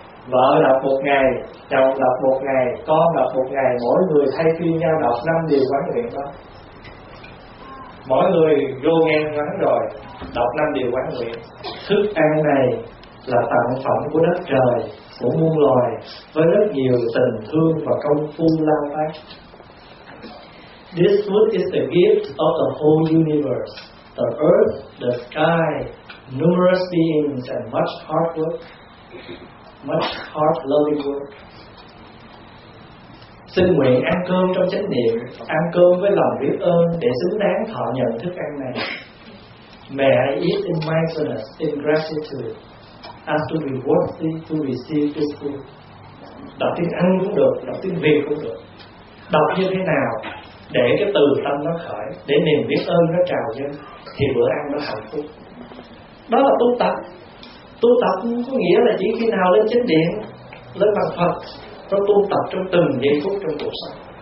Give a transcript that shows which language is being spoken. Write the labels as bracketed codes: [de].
[vi] Vợ đọc một ngày, chồng đọc một ngày, con đọc một ngày, mỗi người thay phiên nhau đọc năm điều quán nguyện đó. Mỗi người vô nghe ngắn rồi đọc năm điều quán nguyện. Thức ăn này là tặng phẩm của đất trời, của muôn loài, với rất nhiều tình thương và công phu lao tác. [en] This food is the gift of the whole universe, the earth, the sky, numerous beings and much hard work. Much heart loving work. [vi] Xin nguyện ăn cơm trong chánh niệm, ăn cơm với lòng biết ơn để xứng đáng thọ nhận thức ăn này. [en] May I eat in mindfulness, in gratitude, and to be worthy to receive this food. [vi] Đọc tiếng Anh cũng được, đọc tiếng Việt cũng được. Đọc như thế nào để cái từ tâm nó khởi, để niềm biết ơn nó trào lên, thì bữa ăn nó hạnh phúc. Đó là tu tập. Tu tập có nghĩa là chỉ khi nào lên chánh điện, lên bằng Phật, nó tu tập trong từng giây phút trong cuộc sống.